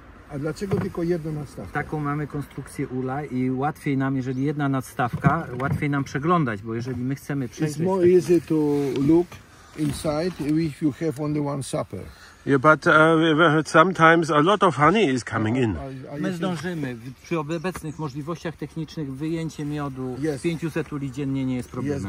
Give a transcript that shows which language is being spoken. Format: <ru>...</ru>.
<pl>A dlaczego tylko jedna nadstawka? Taką mamy konstrukcję ula i łatwiej nam, jeżeli jedna nadstawka, łatwiej nam przeglądać, bo jeżeli my chcemy przejrzeć...</pl> <en>It's more easy to look inside if you have only one supper. Yeah, but sometimes a lot of honey is coming in.</en> <pl>My zdążymy przy obecnych możliwościach technicznych wyjęcie miodu 500 uli dziennie nie jest problemem.</pl>